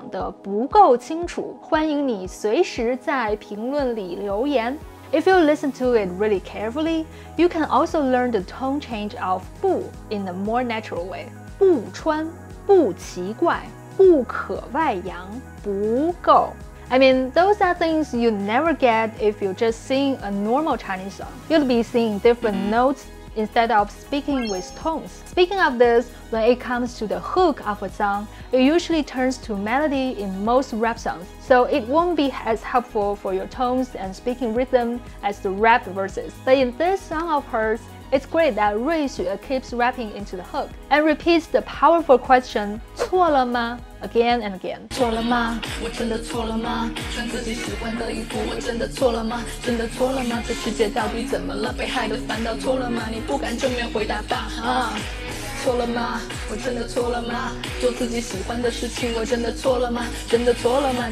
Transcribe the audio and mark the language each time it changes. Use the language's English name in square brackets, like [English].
[Chinese] 如果我在视频里讲得不够清楚, 欢迎你随时在评论里留言. [English] If you listen to it really carefully, you can also learn the tone change of 不 in a more natural way. [Chinese] 不穿, 不奇怪, 不可外扬.不够. [English] I mean, those are things you never get if you just sing a normal Chinese song. You'll be singing different notes instead of speaking with tones. Speaking of this, when it comes to the hook of a song, it usually turns to melody in most rap songs, so it won't be as helpful for your tones and speaking rhythm as the rap verses. But in this song of hers, It's great that Rui Xue keeps rapping into the hook and repeats the powerful question, [Chinese] 错了吗? [English] Again and again. [Chinese] 错了吗?我真的错了吗? 穿自己喜欢的衣服,我真的错了吗? 真的错了吗?这世界到底怎么了?被害的烦恼错了吗? 你不敢正面回答吧?错了吗? 我真的错了吗? 做自己喜欢的事情,我真的错了吗?真的错了吗?